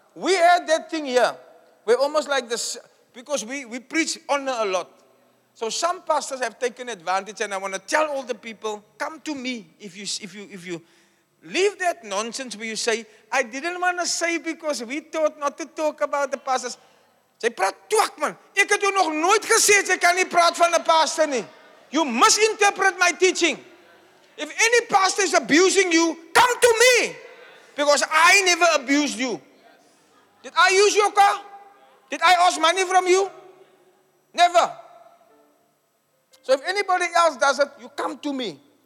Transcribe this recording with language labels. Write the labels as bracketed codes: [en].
[en] We had that thing here. We're almost like this, because we preach honor a lot. So some pastors have taken advantage, and I want to tell all the people, come to me if you leave that nonsense where you say, "I didn't want to say because we thought not to talk about the pastors." [af] Jy praat twak, man. Ek het jou nog nooit gesê, jy kan nie praat van 'n pastor nie. [en] You misinterpret my teaching. If any pastor is abusing you, come to me. Because I never abused you. Did I use your car? Did I ask money from you? Never. So if anybody else does it, you come to me.